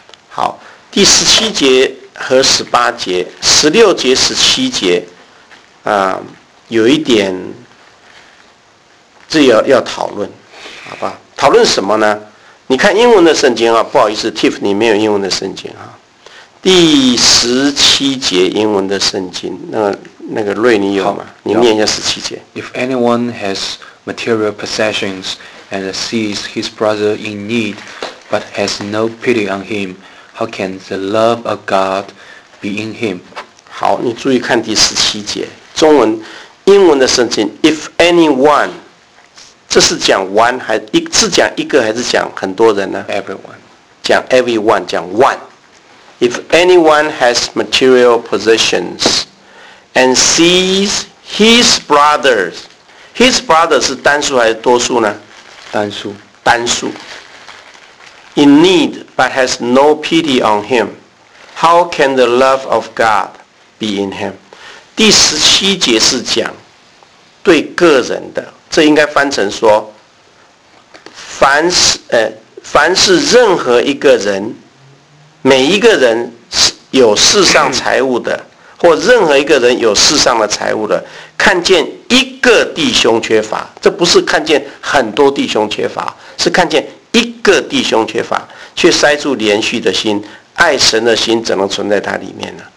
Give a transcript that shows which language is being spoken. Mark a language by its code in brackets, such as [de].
[zh] 好，第十七节和十八节，十六节、十七节，有一点，这要讨论，好吧？讨论什么呢？你看英文的圣经啊，不好意思 ，Tiff， 你没有英文的圣经啊。第十七节英文的圣经，那个瑞你有吗？你念一下十七节。 [en] If anyone has material possessions and sees his brother in need, but has no pity on him, how can the love of God be in him? [zh] 好，你注意看第十七节，中文、英文的圣经。 [en] If anyone， [zh] 这是讲 one 还一是讲一个还是讲很多人呢 [en] ？Everyone， [zh] 讲 [en] everyone， 讲 one。 If anyone has material possessions and sees his brothers, his brother [zh] 是单数还是多数呢？单数。 [en] In need, but has no pity on him, how can the love of God be in him? [zh] 第十七节是讲对个人的，这应该翻成说，凡是任何一个人。每一个人有世上财物的，或任何一个人有世上的财物的，看见一个弟兄缺乏，这不是看见很多弟兄缺乏，是看见一个弟兄缺乏，却塞住连续的心，爱神的心怎能存在他里面呢？